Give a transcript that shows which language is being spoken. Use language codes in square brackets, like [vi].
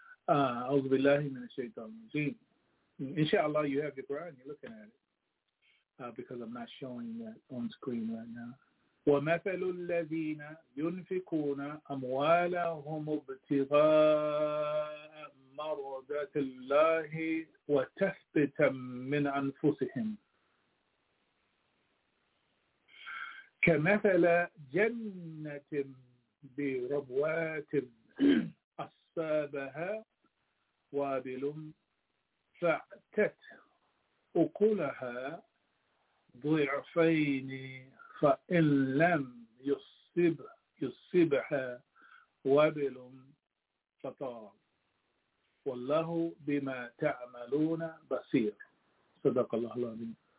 [ar] أعوذ بالله من الشيطان الرجيم. [en] Inshallah, you have your Quran, you're looking at it. Because I'm not showing that on screen right now. [ar] وَمَثَلُ الَّذِينَ يُنْفِقُونَ أَمْوَالَهُمْ ابْتِغَاءَ مَرْضَاتِ اللَّهِ وَتَثْبِيتًا مِنْ أَنْفُسِهِمْ كَمَثَلَ جَنَّةٍ بِرَبْوَاتٍ أَصَابَهَا وابل فأتت أكلها ضعفين فإن لم يصبها وابل فطار والله بما تعملون بصير صدق الله العظيم.